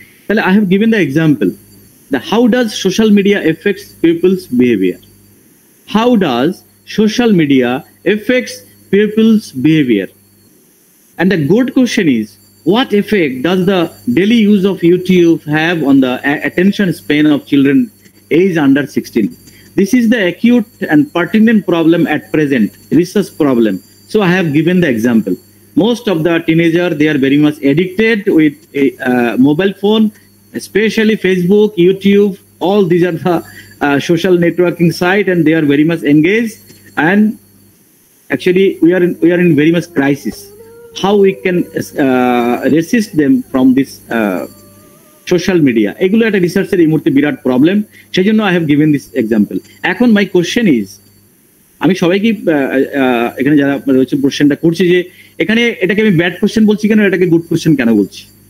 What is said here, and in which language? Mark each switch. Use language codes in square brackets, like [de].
[en] তাহলে I have given the example, the how does social media effects people's behaviour. How does social media effects people's behaviour and the good question is, what effect does the daily use of YouTube have on the attention span of children age under 16. This is the acute and pertinent problem at present, research problem. So I have given the example. Most of the teenagers, they are very much addicted with a mobile phone, especially Facebook, YouTube, all these are the social networking site, and they are very much engaged. And actually we are in very much crisis. How we can resist them from this [bn] social media, এগুলো একটা রিসার্চের এই মুহূর্তে বিরাট problem, সেই জন্য [en] I have given this example. [bn] এখন [en] my question is, [bn] আমি সবাইকে এখানে যারা রয়েছে কোশ্চেনটা করছি যে এখানে এটাকে আমি ব্যাড কোশ্চেন বলছি কেন, এটাকে গুড কোশ্চেন কেন বলছি?